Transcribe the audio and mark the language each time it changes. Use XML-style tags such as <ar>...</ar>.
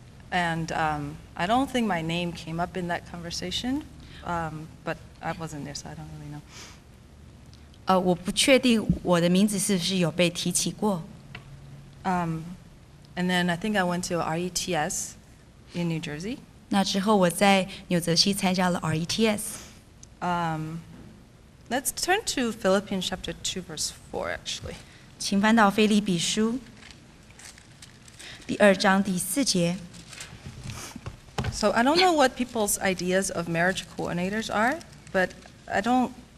<en>And I don't think my name came up in that conversation, but I wasn't there, so I don't really know.</en> <zh>我不确定我的名字是不是有被提起过。</zh> <en>And then I think I went to RETS in New Jersey.</en> <zh>那之后我在纽泽西参加了RETS。</zh> <en>Let's turn to Philippians chapter 2, verse 4, actually.</en> <zh>请翻到腓立比书第2章第4节。</zh> <en>So I don't know what people's ideas of marriage coordinators are, but I don't.</en>